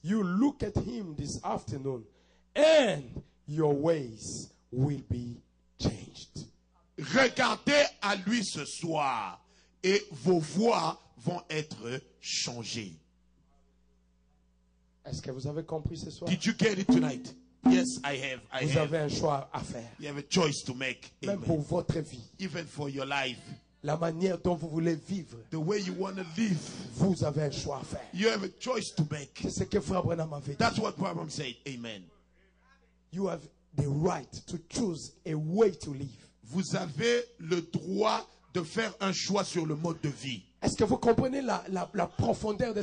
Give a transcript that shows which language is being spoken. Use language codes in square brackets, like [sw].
[en] You look at Him this afternoon, and your ways will be changed. [fr] Regardez à lui ce soir, et vos voies vont être changées. Est-ce que vous avez compris ce soir? [en] Did you get it tonight? Yes, I have. [fr] Vous avez un choix à faire. [en] You have a choice to make. [fr] Même Amen. Pour votre vie. [en] Even for your life. [fr] La manière dont vous voulez vivre. [en] The way you want to live. [fr] Vous avez un choix à faire. [en] You have a choice to make. [fr] C'est ce que Frère Branham avait dit. [en] That's what Branham said. Amen. You have the right to choose a way to live. [fr] Vous avez le droit de faire un choix sur le mode de vie. Est-ce que vous comprenez la profondeur de